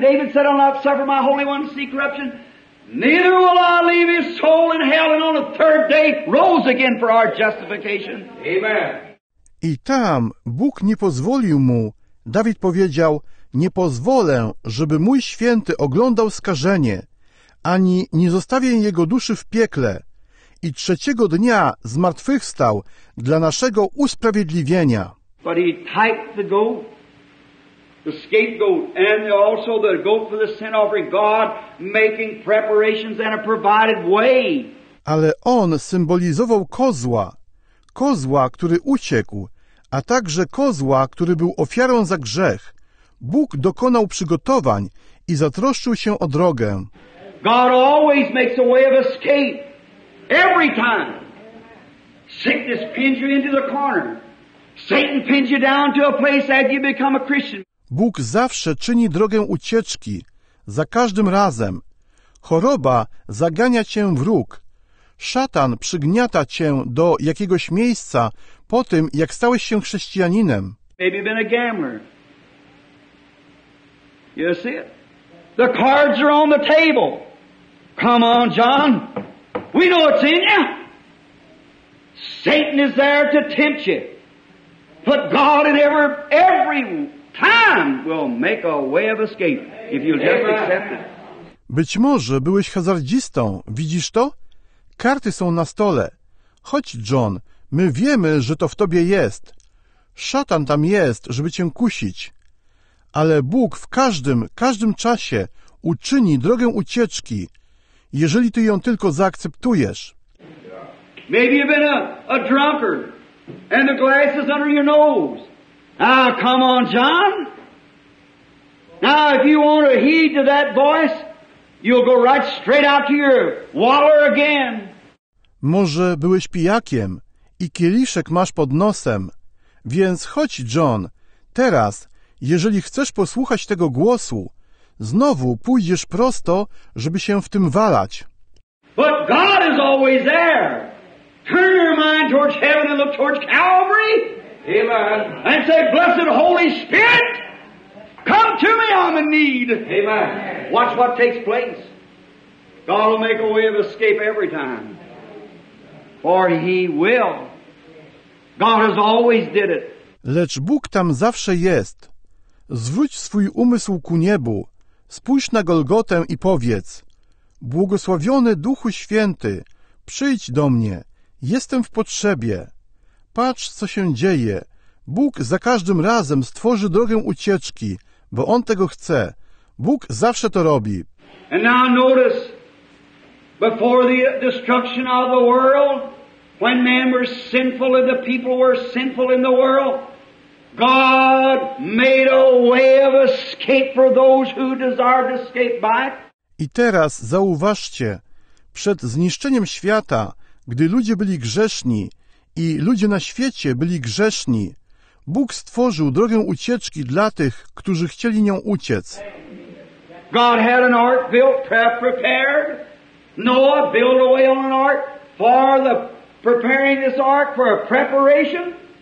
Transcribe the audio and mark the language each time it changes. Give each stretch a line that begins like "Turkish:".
English: David said, I'll not suffer my Holy One to see corruption. Neither will I leave his soul in hell, and on the third day rose again for our justification. Amen.
Polish: I tam Bóg nie pozwolił mu. Dawid powiedział, nie pozwolę, żeby mój święty oglądał skażenie, ani nie zostawię jego duszy w piekle. I trzeciego dnia zmartwychwstał dla naszego usprawiedliwienia.
English: But he typed the goat. The scapegoat and also the goat for the sin offering, God making preparations and a provided way.
Polish: Ale on symbolizował kozła, kozła, który uciekł, a także kozła, który był ofiarą za grzech. Bóg dokonał przygotowań i zatroszczył się o drogę.
English: God always makes a way of escape. Every time. Sickness pins you into the corner. Satan pins you down to a place that you become a Christian.
Polish: Bóg zawsze czyni drogę ucieczki, za każdym razem. Choroba zagania cię w róg. Szatan przygniata cię do jakiegoś miejsca po tym, jak stałeś się chrześcijaninem.
English: Maybe been a gambler. You see it? The cards are on the table. Come on, John. We know it's in you. Satan is there to tempt you. Put God in every time will make a way of escape if you'll just accept it.
Polish: Być może byłeś hazardzistą, widzisz to? Karty są na stole. Chodź, John, my wiemy, że to w tobie jest. Szatan tam jest, żeby cię kusić. Ale Bóg w każdym czasie uczyni drogę ucieczki, jeżeli ty ją tylko zaakceptujesz.
English: Maybe you've been a drunkard and the glass is under your nose. Now, come on, John. Now, if you want to heed to that voice, you'll go right straight out to your wallow again.
Polish: Może byłeś pijakiem i kieliszek masz pod nosem, więc chodź, John, teraz, jeżeli chcesz posłuchać tego głosu, znowu pójdziesz prosto, żeby się w tym walać.
English: But God is always there. Turn your mind towards heaven and look towards Calvary. Amen. And say, blessed Holy Spirit, come to me, I'm in need. Amen. Watch what takes place. God will make a way of escape every time. For He will. God has always did it.
Polish: Lecz Bóg tam zawsze jest. Zwróć swój umysł ku niebu, spójrz na Golgotę i powiedz: Błogosławiony Duchu Święty, przyjdź do mnie, jestem w potrzebie. Patrz, co się dzieje. Bóg za każdym razem stworzy drogę ucieczki, bo On tego chce. Bóg zawsze to robi.
English: And now notice, before the destruction of the world, when men were sinful and the people were sinful in the world, God made a way of escape for those who desired to escape by.
Polish: I teraz zauważcie, przed zniszczeniem świata, gdy ludzie byli grzeszni i ludzie na świecie byli grzeszni, Bóg stworzył drogę ucieczki dla tych, którzy chcieli nią uciec.
English: God had an ark built, prepared. Noah built a way on an ark for the preparing this ark for a preparation.